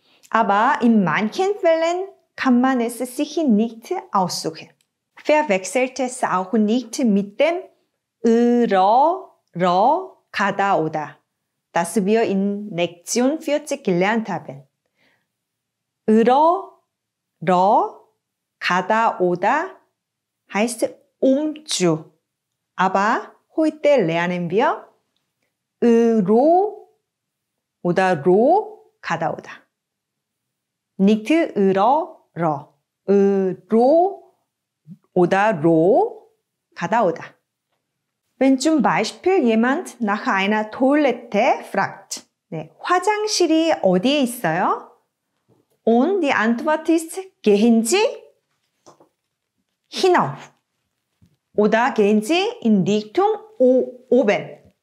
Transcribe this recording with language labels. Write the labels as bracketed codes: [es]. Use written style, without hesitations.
[de] Aber in manchen Fällen kann man es sich nicht aussuchen. Verwechselt es auch nicht mit dem 으로, 로 가다 오다. Das wir in Lektion 40 gelernt haben. 으로, 로, 가다, 오다 heißt um zu. Aber heute lernen wir 으로 oder 로 가다, 오다. Nicht 으로, 로. 으로 oder 로 가다, 오다. Wenn zum Beispiel jemand nach einer Toilette fragt, 네, [ko] 화장실이 어디에 있어요? [de] Und die Antwort ist, gehen Sie hinauf. Oder gehen Sie in Richtung oben.